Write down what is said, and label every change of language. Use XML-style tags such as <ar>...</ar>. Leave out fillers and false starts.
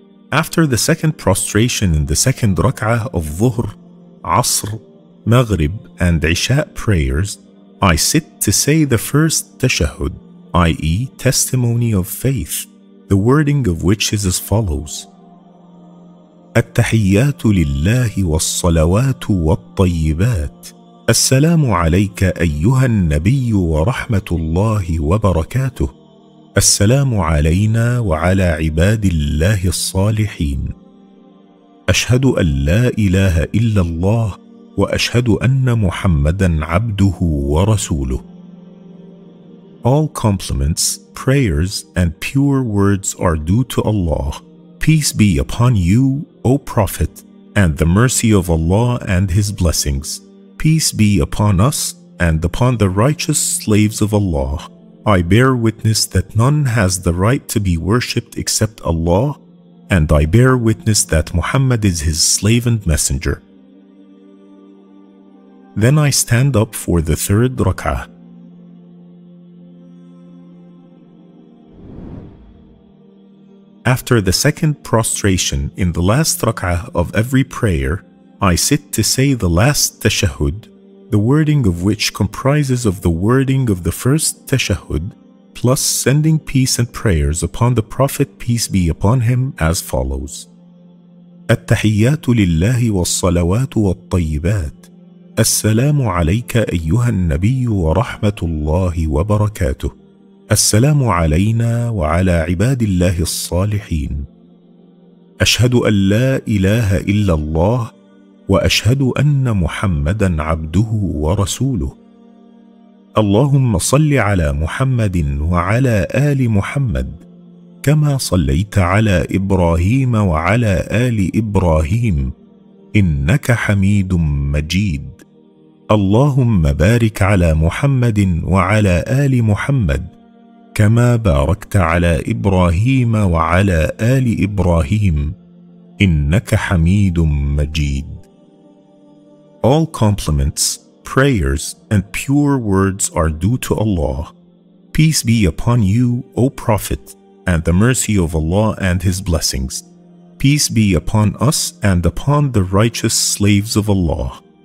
<en>After the second prostration in the second rak'ah of Dhuhr, Asr, Maghrib, and Isha prayers, I sit to say the first tashahud, i.e. testimony of faith, the wording of which is as follows.</en> <ar>التحيات لله والصلوات والطيبات السلام عليك أيها النبي ورحمة الله وبركاته السلام علينا وعلى عباد الله الصالحين أشهد أن لا إله إلا الله وأشهد أن محمدا عبده ورسوله.</ar> <en>All compliments, prayers, and pure words are due to Allah. Peace be upon you, O Prophet, and the mercy of Allah and His blessings. Peace be upon us and upon the righteous slaves of Allah. I bear witness that none has the right to be worshipped except Allah, and I bear witness that Muhammad is His slave and messenger. Then I stand up for the third rak'ah. After the second prostration in the last rak'ah of every prayer, I sit to say the last tashahud, the wording of which comprises of the wording of the first tashahud, plus sending peace and prayers upon the Prophet, peace be upon him, as follows.</en> <ar>التحيات لله والصلوات والطيبات السلام عليك أيها النبي ورحمة الله وبركاته السلام علينا وعلى عباد الله الصالحين أشهد أن لا إله إلا الله وأشهد أن محمدا عبده ورسوله اللهم صل على محمد وعلى آل محمد كما صليت على إبراهيم وعلى آل إبراهيم إنك حميد مجيد اللهم بارك على محمد وعلى آل محمد كما باركت على إبراهيم وعلى آل إبراهيم إنك حميد مجيد.</ar> <en>All compliments, prayers, and pure words are due to Allah. Peace be upon you, O Prophet, and the mercy of Allah and His blessings. Peace be upon us and upon the righteous slaves of Allah.</en>